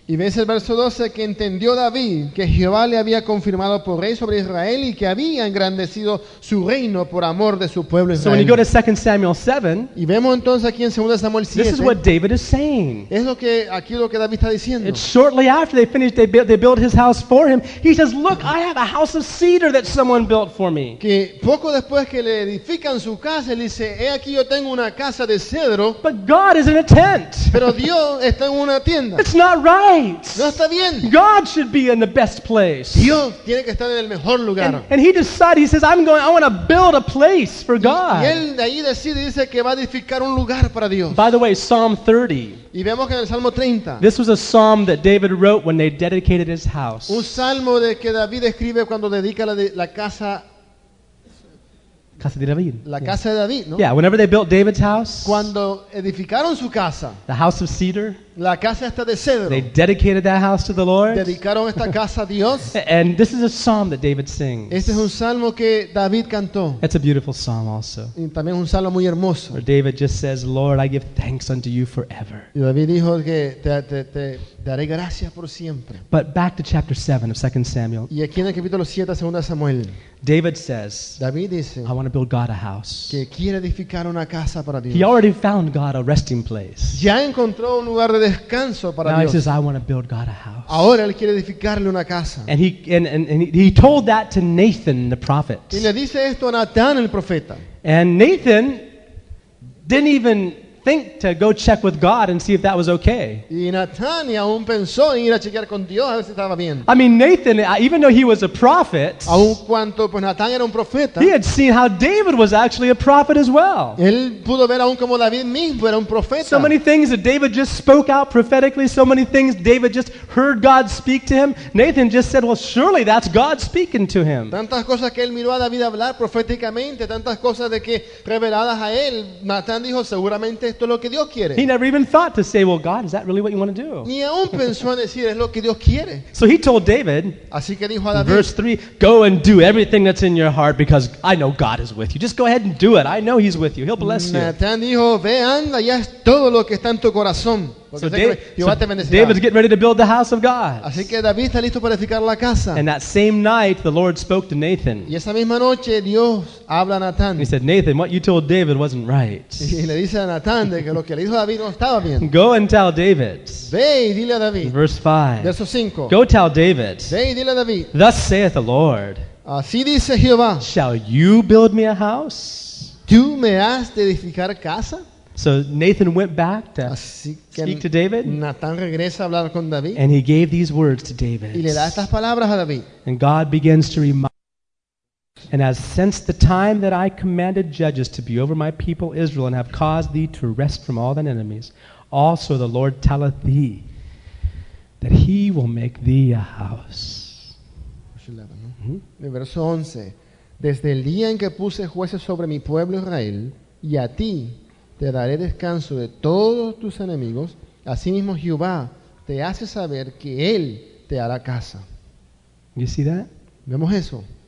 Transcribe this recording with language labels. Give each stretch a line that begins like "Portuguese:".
Spanish: Y ves el verso 12 que entendió David que Jehová le había confirmado por rey sobre Israel y que había engrandecido su reino por amor de su pueblo Israel.
English: So when you go to 2 Samuel 7,
Spanish: y vemos entonces aquí en 2 Samuel 7,
English: this is what David is saying.
Spanish: Es lo que David está diciendo.
English: It's shortly after they finished, they built his house for him. He says, look, I have a house of cedar that someone built for me.
Spanish: Que poco después que le edifican su casa, él dice, he aquí yo tengo una casa de cedro.
English: But God is in a tent.
Spanish: Pero Dios está en una tienda.
English: It's not right.
Spanish: No está bien.
English: God should be in the best place.
Spanish: Dios tiene que estar en el mejor lugar.
English: And he decided, he says, I'm going, I want to build a place for God.
Spanish: Y él de ahí decide, dice que va a edificar un lugar para Dios.
English: By the way, Psalm 30.
Spanish: Y vemos que en el Salmo 30.
English: This was a psalm that David wrote when they dedicated his house.
Spanish: Un salmo de que David escribe cuando dedica la casa. Casa de David. La casa de David, ¿no?
English: Yeah, whenever they built David's house.
Spanish: Cuando edificaron su casa.
English: The house of cedar.
Spanish: La casa esta de cedro.
English: They dedicated that house to the Lord.
Spanish: Dedicaron esta casa a Dios.
English: And this is a psalm that David sings.
Spanish: Este es un salmo que David cantó.
English: It's a beautiful psalm also.
Spanish: Y también es un salmo muy hermoso.
English: Where David just says, Lord, I give thanks unto you forever.
Spanish: Y David dijo que te daré gracias por siempre.
English: But back to chapter 7 of 2 Samuel.
Spanish: Y aquí en el capítulo 7 de 2 Samuel.
English: David says,
Spanish: David dice,
English: I want to build God a house.
Spanish: Que quiere edificar una casa para Dios.
English: He already found God a resting place.
Spanish: Ya encontró un lugar de descanso para
English: now
Spanish: Dios.
English: He says, I want to build God a house.
Spanish: Ahora él quiere edificarle una casa.
English: And he told that to Nathan the prophet.
Spanish: Y le dice esto a Natán el profeta.
English: And Nathan didn't even think to go check with God and see if that was okay.
Spanish: Y Natán aún pensó en ir a chequear con Dios a ver si estaba bien.
English: I mean, Nathan, even though he was a prophet,
Spanish: aun cuanto pues Natán era un profeta,
English: he had seen how David was actually a prophet as well.
Spanish: Él pudo ver aún como David mismo era un profeta.
English: So many things that David just spoke out prophetically, so many things David just heard God speak to him. Nathan just said, "Well, surely that's God speaking to him."
Spanish: Tantas cosas que él miró a David hablar proféticamente, tantas cosas de que reveladas a él, Natán dijo, "Seguramente esto es lo que Dios quiere."
English: He never even thought to say, "Well, God, is that really what you want to do?"
Spanish: Ni aún pensó en decir, "Es lo que Dios quiere."
English: So he told David,
Spanish: así que dijo a David,
English: verse 3, "Go and do everything that's in your heart because I know God is with you. Just go ahead and do it. I know he's with you. He'll bless you."
Spanish: Natán dijo, "Ve, anda, ya es todo lo que está en tu corazón."
English: David's getting ready to build the house of God.
Spanish: Así que David está listo para edificar la casa.
English: And that same night, the Lord spoke to Nathan.
Spanish: Y esa misma noche, Dios habla a Natán.
English: He said, "Nathan, what you told David wasn't right."
Spanish: Y le dice a Natán de que lo que le dijo a David no estaba bien.
English: Go and tell David.
Spanish: Ve y dile a David.
English: Verse 5.
Spanish: Verso 5.
English: Go tell David.
Spanish: Ve y dile a David.
English: Thus saith the Lord.
Spanish: Así dice Jehová.
English: Shall you build me a house?
Spanish: ¿Tú me has de edificar casa?
English: So Nathan went back to speak to David.
Spanish: Natán regresa a hablar con David.
English: And he gave these words to David.
Spanish: Y le da estas palabras a David.
English: And God begins to remind and as since the time that I commanded judges to be over my people Israel and have caused thee to rest from all thine enemies, also the Lord telleth thee that he will make thee a house.
Spanish: Verso 11. Desde el día en que puse jueces sobre mi pueblo Israel y a ti te daré descanso de todos tus enemigos. Asimismo, Jehová te hace saber que Él te hará casa.
English: You see that?
Spanish: Vemos eso.